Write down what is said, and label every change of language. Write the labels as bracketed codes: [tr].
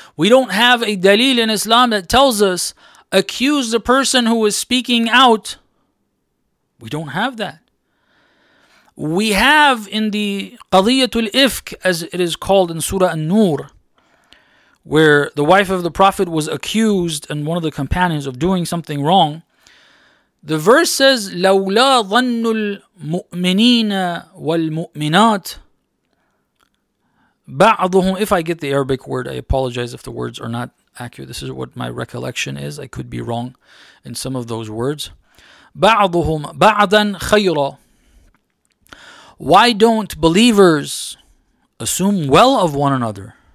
[en] We don't have a dalil in Islam that tells us, accuse the person who is speaking out. We don't have that. We have in the Qadiyatul Ifk, as it is called in Surah An-Nur, where the wife of the Prophet was accused and one of the companions of doing something wrong. The verse says, [ar] لَوْلَا ظَنُّ الْمُؤْمِنِينَ وَالْمُؤْمِنَاتِ بَعْضُهُمْ. [en] If I get the Arabic word, I apologize if the words are not accurate. This is what my recollection is. I could be wrong in some of those words. [ar] بَعْضُهُمْ بَعْضًا خَيْرًا. [en] Why don't believers assume well of one another?